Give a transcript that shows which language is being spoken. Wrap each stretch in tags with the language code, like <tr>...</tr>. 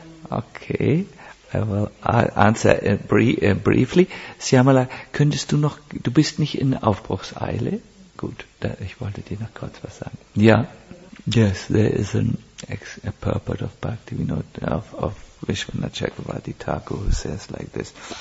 <en>Okay, I will answer briefly.</en> <de>Siamala, könntest du noch, du bist nicht in Aufbruchseile? Gut, da, ich wollte dir noch kurz was sagen.</de> <en>Ja, yes, there is a purport of Bhaktivinoda, of Vishwana Chakravarti Thakur, who says like this.</en>